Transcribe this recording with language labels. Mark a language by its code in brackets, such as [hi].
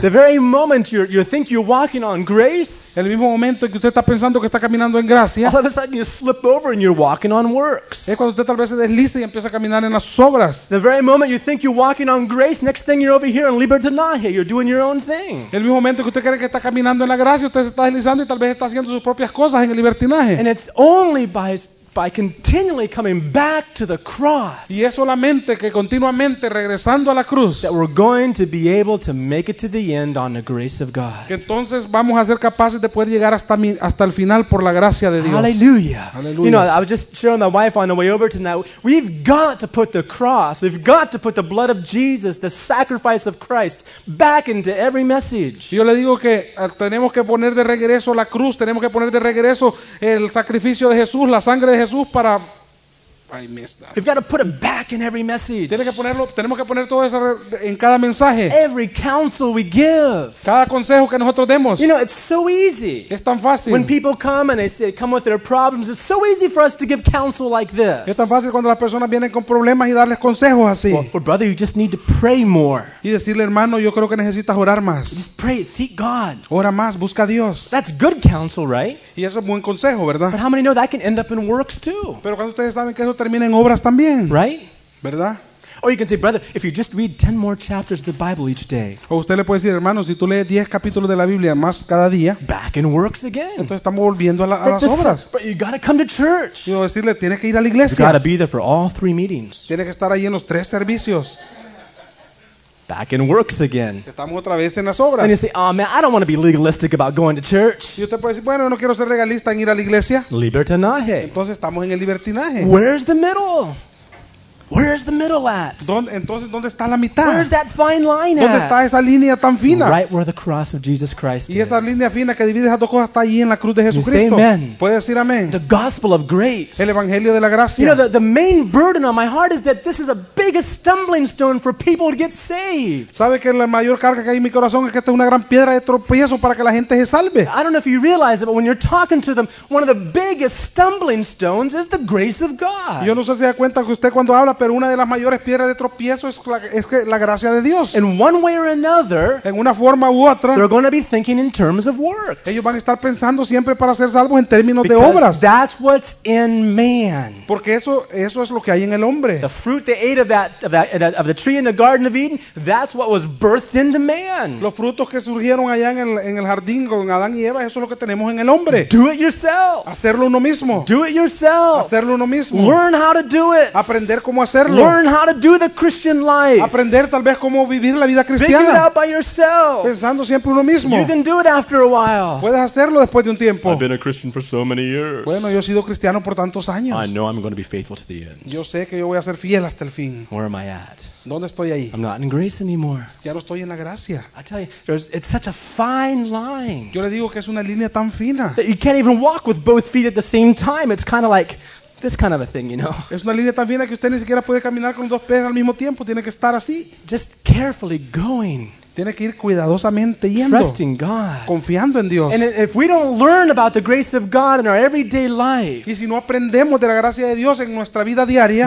[en] The very moment you think you're walking on grace. [es] El mismo momento en que usted está pensando que está caminando en gracia. [en] All of a sudden you slip over and you're walking on works. [es] Es cuando usted tal vez se desliza y empieza a caminar en las obras. [en] The very moment you think you're walking on grace, next thing you're over here in libertinaje, you're doing your own thing. [es] El mismo momento que usted cree que está caminando en la gracia, usted se está deslizando y tal vez está haciendo sus propias cosas en el libertinaje. [en] And it's only by continually coming back to the cross. [es] Y es solamente que continuamente regresando a la cruz. [en] That we're going to be able to make it to the end on the grace of God. [es] Que entonces vamos a ser capaces de poder llegar hasta el final por la gracia de Dios. [en] Hallelujah. Hallelujah. You know, I was just showing my wife on the way over tonight. We've got to put the cross. We've got to put the blood of Jesus, the sacrifice of Christ, back into every message. [es] Yo le digo que tenemos que poner de regreso la cruz, tenemos que poner de regreso el sacrificio de Jesús, la sangre de Jesús para. [en] I missed that. We've got to put it back in every message. [es] Tenemos que poner todo eso en cada mensaje. [en] Every counsel we give. [es] Cada consejo que nosotros demos. [en] You know, it's so easy. [es] Es tan fácil. [en] When people come and they come with their problems, it's so easy for us to give counsel like this. [es] Es tan fácil cuando las personas vienen con problemas y darles consejos así. [en] Well, brother, you just need to pray more. [es] Y decirle, hermano, yo creo que necesitas orar más. [en] Just pray, seek God. [es] Ora más, busca a Dios. [en] That's good counsel, right? [es] Y eso es buen consejo, ¿verdad? [en] But how many know that can end up in works too? [es] Pero cuando ustedes saben que eso termina en obras también. [en] Right? [es] ¿Verdad? [en] Or you can say, brother, if you just read 10 more chapters of the Bible each day. [es] O usted le puede decir, hermano, si tú lees 10 capítulos de la Biblia más cada día. [en] Back in works again. [es] Entonces estamos volviendo a las obras. [en] But you gotta come to church. [es] Yo decirle, tienes que ir a la iglesia. [en] You gotta be there for all three meetings. [es] Tienes que estar ahí en los tres servicios. [en] Back in works again. [es] Estamos otra vez en las obras. [en] And you say, oh man, I don't want to be legalistic about going to church. [es] Y usted puede decir, bueno, no quiero ser legalista en ir a la iglesia. Libertinaje. Entonces estamos en el libertinaje. [en] Where's the middle? Where is the middle at? [es] Entonces, ¿dónde está la mitad? [en] Where is that fine line [es] ¿dónde [en] at? [es] Está esa línea tan fina? [en] Right where the cross of Jesus Christ [es] y esa [en] is. [es] Línea fina que divide esas dos cosas está ahí en la cruz de Jesucristo. [en] Say amen. [es] ¿Puedes decir amén? [en] The gospel of grace. [es] El evangelio de la gracia. [en] You know, the main burden on my heart is that this is the biggest stumbling stone for people to get saved. [es] ¿Sabe que la mayor carga que hay en mi corazón es que esta es una gran piedra de tropiezo para que la gente se salve? [en] I don't know if you realize it, but when you're talking to them, one of the biggest stumbling stones is the grace of God. [es] Yo no sé si da cuenta que usted cuando habla, pero una de las mayores piedras de tropiezo es que la gracia de Dios. [en] In one way or another, [es] en una forma u otra, [en] they're going to be thinking in terms of works. [es] Ellos van a estar pensando siempre para ser salvos en términos [en] because [es] de obras. [en] That's what's in man. [es] Porque eso es lo que hay en el hombre. [en] The fruit they ate of the tree in the Garden of Eden, that's what was birthed into man. [es] Los frutos que surgieron allá en el jardín con Adán y Eva, eso es lo que tenemos en el hombre. [en] Do it yourself. [es] Hacerlo uno mismo. [en] Do it yourself. [es] Hacerlo uno mismo. [en] Learn how to do it. [es] Aprender cómo hacerlo. [en] Learn how to do the Christian life. [es] Aprender tal vez cómo vivir la vida cristiana. [en] Figure it out by yourself. [es] Pensando siempre uno mismo. [en] You can do it after a while. [es] Puedes hacerlo después de un tiempo. [en] I've been a Christian for so many years. [es] Bueno, yo he sido cristiano por tantos años. [en] I know I'm going to be faithful to the end. [es] Yo sé que yo voy a ser fiel hasta el fin. [en] Where am I at? [es] ¿Dónde estoy ahí? [en] I'm not in grace anymore. [es] Ya no estoy en la gracia. [en] I tell you, it's such a fine line. [es] Yo le digo que es una línea tan fina. [en] That you can't even walk with both feet at the same time. It's kind of like this kind of a thing, you know. [es] Es una línea tan fina que usted ni siquiera puede caminar con dos pies al mismo tiempo. Tiene que estar así. [en] Just carefully going. [es] Tiene que ir cuidadosamente yendo. [en] Trusting God. [es] Confiando en Dios. [en] And if we don't learn about the grace of God in our everyday life, [es] y si no aprendemos de la gracia de Dios en nuestra vida diaria,